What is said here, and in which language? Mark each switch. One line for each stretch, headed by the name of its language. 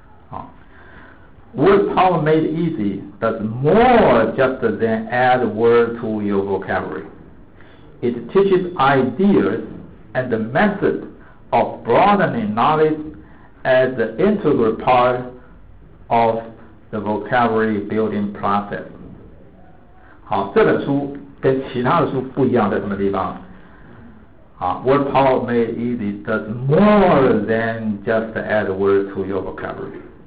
English: 啊 ，Word power made easy does more just than add word to your vocabulary。 It teaches ideas and the method of broadening knowledge as the integral part of the vocabulary building process.
Chinese: 好，这本书跟其他的书不一样在什么地方？
English: 好 ，Word Power Made Easy does more than just add words to your vocabulary.